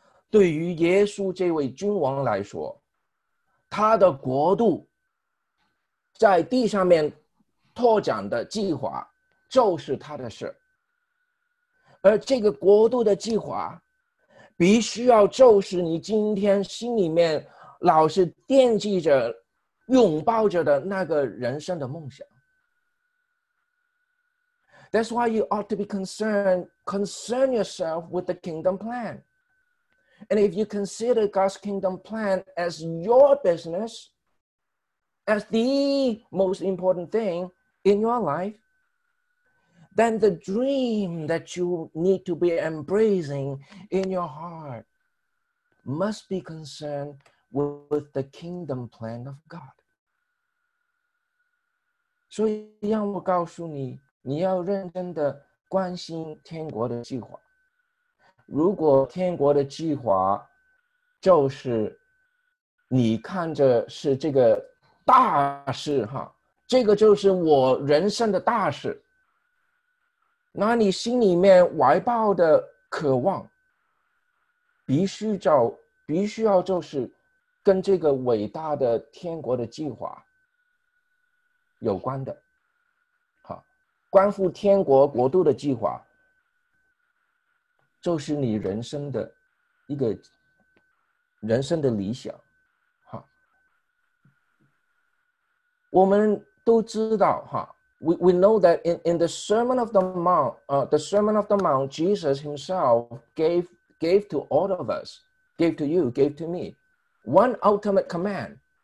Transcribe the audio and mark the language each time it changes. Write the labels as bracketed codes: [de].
[zh] 对于耶稣这位君王来说，他的国度在地上面拓展的计划就是他的事，而这个国度的计划必须要就是你今天心里面老是惦记着拥抱着的那个人生的梦想。 [en] That's why you ought to be concern yourself with the kingdom plan. And if you consider God's kingdom plan as your business, as the most important thingin your life, then the dream that you need to be embracing in your heart must be concerned with the kingdom plan of God. [zh] 所以让我告诉你，你要认真的关心天国的计划。如果天国的计划就是你看着是这个大事哈，这个就是我人生的大事，那你心里面怀抱的渴望必须要就是跟这个伟大的天国的计划有关的。好，关乎天国国度的计划就是你人生的一个人生的理想。好，我们都知道哈， [en] we know that in the Sermon of the Mount, the Sermon of the Mount, Jesus himself gave to all of us, gave to you, gave to me, one ultimate command.